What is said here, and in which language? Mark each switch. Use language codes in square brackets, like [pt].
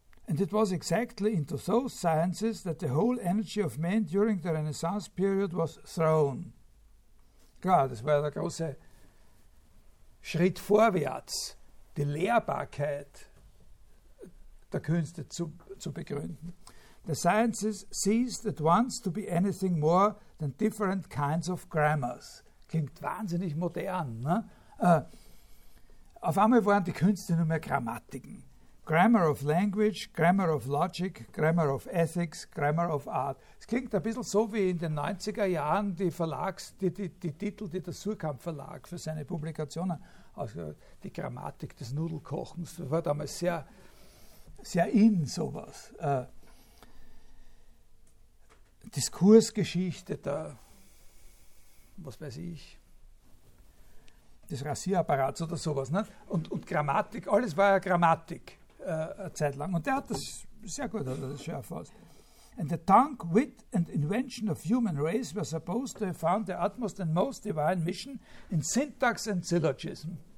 [en] And it was exactly into those sciences that the whole energy of man during the Renaissance period was thrown. [de] Klar, das war der große Schritt vorwärts, die Lehrbarkeit der Künste zu begründen. [en] The sciences ceased at once to be anything more than different kinds of grammars. [de] Klingt wahnsinnig modern. Ne? Auf einmal waren die Künste nur mehr Grammatiken. [en] Grammar of language, grammar of logic, grammar of ethics, grammar of art. [de] Es klingt ein bisschen so wie in den 90er Jahren die Titel, die der Surkamp Verlag für seine Publikationen, also die Grammatik des Nudelkochens, das war damals sehr, sehr in sowas. Diskursgeschichte der, was weiß ich, des Rasierapparats oder sowas. Ne? Und Grammatik, alles war ja Grammatik. Eine Zeit lang. Und der hat das sehr gut, hat das schon erfasst. [en] And the tongue, wit and invention of human race were supposed to have found the utmost and most divine mission in syntax and syllogism.